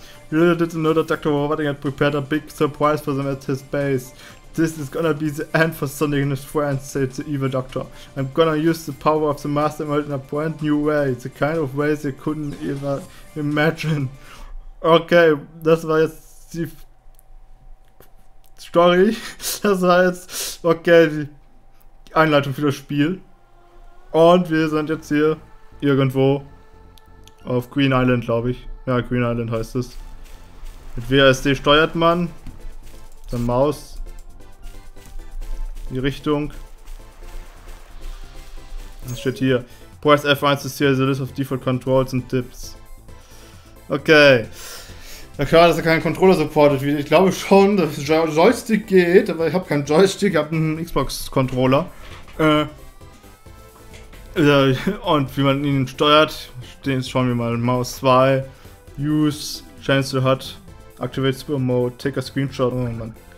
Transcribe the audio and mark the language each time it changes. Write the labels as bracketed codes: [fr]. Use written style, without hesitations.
[en] Little did they know that Dr. Robotnik had prepared a big surprise for them at his base. This is gonna be the end for Sonic and his friends, said the evil doctor. I'm gonna use the power of the Master Emerald in a brand new way, the kind of way they couldn't even imagine. [de] Okay, das war jetzt die Story. das heißt, okay, die Einleitung für das Spiel. Und wir sind jetzt hier irgendwo auf Green Island, glaube ich. Ja, Green Island heißt es. Mit WASD steuert man der Maus die Richtung. Das steht hier. [en] Press F1 to see the list of default controls and tips. [de] Okay. Na klar, dass er keinen Controller supportet. Ich glaube schon, dass Joystick geht, aber ich habe keinen Joystick, ich habe einen Xbox-Controller. Und wie man ihn steuert, schauen wir mal. [en] Maus 2, Use, Change the HUD, Activate Super Mode, Take a Screenshot. [de] Oh Mann.